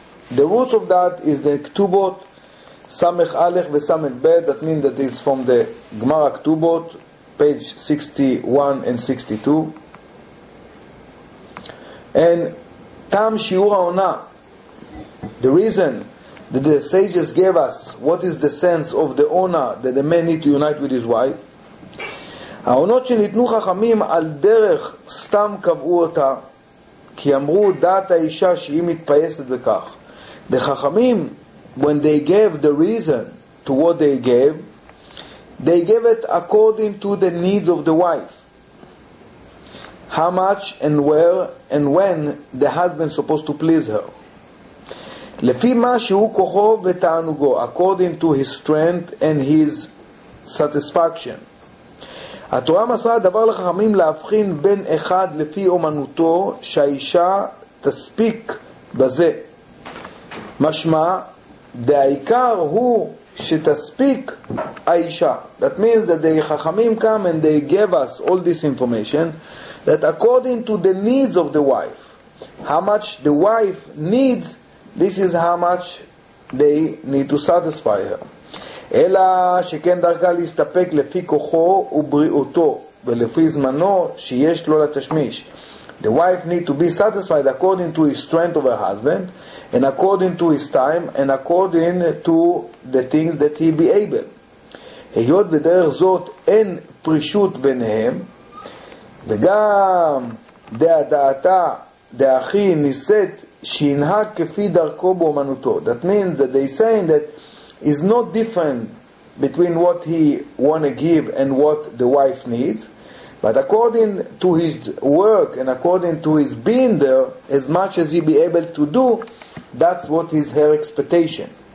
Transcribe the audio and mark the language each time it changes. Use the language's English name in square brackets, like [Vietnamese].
[English] The roots of that is the Ketubot, Samech Alech ve Samech Bet, that means that it's from the Gemara Ketubot, page 61 and 62. And [Hebrew] Tam Shiur Ona, [English] the reason that the sages gave us what is the sense of the Ona that the man need to unite with his wife. [Hebrew] העונות שניתנו חכמים על דרך סתם קבעו אותה כי אמרו דעת האישה שהיא מתפייסת בכך. [English] The חכמים, when they gave the reason to what they gave it according to the needs of the wife. How much and where and when the husband supposed to please her. [Hebrew] לפי מה שהוא כוחו ותענוגו, [English] according to his strength and his satisfaction. [Hebrew] התורה מסרה דבר לחכמים להבחין בין אחד לפי אומנותו שהאישה תספיק בזה. משמע, העיקר הוא שתספיק האישה. [English] That means that the חכמים come and they give us all this information that according to the needs of the wife, how much the wife needs, this is how much they need to satisfy her. [Hebrew] אלא שכן דרכה להסתפק לפי כוחו ובריאותו ולפי זמנו שיש לו לתשמיש. [English] The wife need to be satisfied according to his strength of her husband and according to his time and according to the things that he be able. [Hebrew] היות בדרך זאת אין פרישות ביניהם וגם דעתה דאחי ניסית שינהג כפי דרכו באומנותו. [English] That means that they saying that is not different between what he want to give and what the wife needs, but according to his work and according to his being there, as much as he be able to do, that's what is her expectation.